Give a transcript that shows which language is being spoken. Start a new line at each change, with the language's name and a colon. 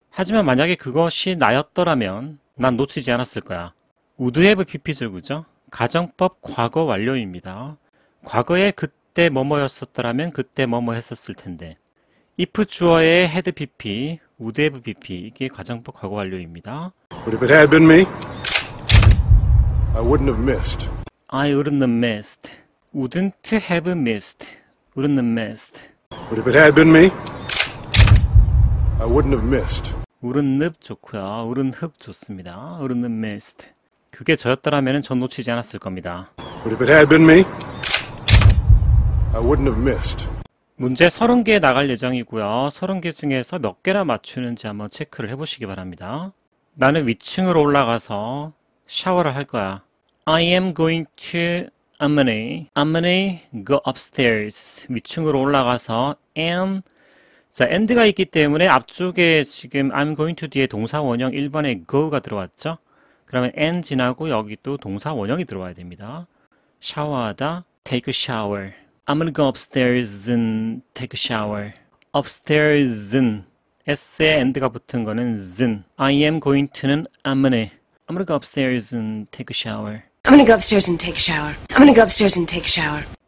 Korean: 하지만 만약에 그것이 나였더라면 난 놓치지 않았을 거야. Would have PP죠, 그죠? 가정법 과거 완료입니다. 과거에 그때 뭐뭐였었더라면 그때 뭐뭐 했었을 텐데.
English: if
Korean: 주어에
English: had PP, would have PP.
Korean: 이게 가정법 과거 완료입니다.
English: But if it had been me, I wouldn't have missed. I wouldn't have missed. Wouldn't have missed. Wouldn't have missed. But if it had been me, I wouldn't have missed. Wouldn't have
Korean: 좋고요.
English: Wouldn't have
Korean: 좋습니다.
English: Wouldn't have missed.
Korean: 그게 저였더라면 전 놓치지 않았을 겁니다.
English: But if it had been me, I wouldn't have missed.
Korean: 문제 30개 나갈 예정이고요. 30개 중에서 몇 개나 맞추는지 한번 체크를 해보시기 바랍니다. 나는 위층으로 올라가서 샤워를 할 거야.
English: I am going to, I'm gonna go upstairs.
Korean: 위층으로 올라가서 and. 자, and가 있기 때문에 앞쪽에 지금
English: I'm going to
Korean: 뒤에 동사 원형 1번에 go가 들어왔죠? 그러면 and 지나고 여기 또 동사 원형이 들어와야 됩니다. 샤워하다,
English: take a shower. I'm gonna go upstairs and take a shower. Upstairs and.
Korean: S에 and가 붙은 거는
English: zn. I am going to는 I'm gonna go upstairs and take a shower. I'm gonna go upstairs and take a shower. I'm gonna go upstairs and take a shower.